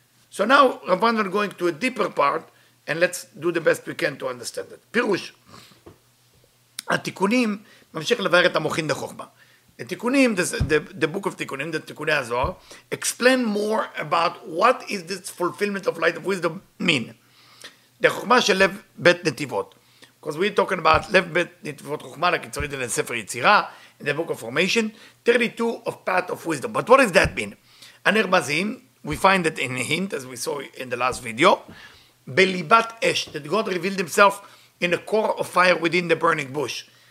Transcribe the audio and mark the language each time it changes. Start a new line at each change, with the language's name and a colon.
English: So now, Rav Brandon going to a deeper part, and let's do the best we can to understand it.
Hebrew: פירוש, התיקונים, ממשיך לבאר את המוחין לחוכמה.
English: התיקונים, the book of תיקונים, the תיקוני הזוהר, explain more about what is this fulfillment of light of wisdom mean.
Hebrew: The חוכמה של לב בית נתיבות.
English: Because we're talking about
Hebrew: לב בית נתיבות חוכמה, לקיצורית על ספר יצירה,
English: in the book of formation, 32 of path of wisdom. But what does that mean? הנרמזים, we find it in a hint, as we saw in the last video,
Hebrew: בליבת אש,
English: that God revealed himself in a core of fire within the burning bush.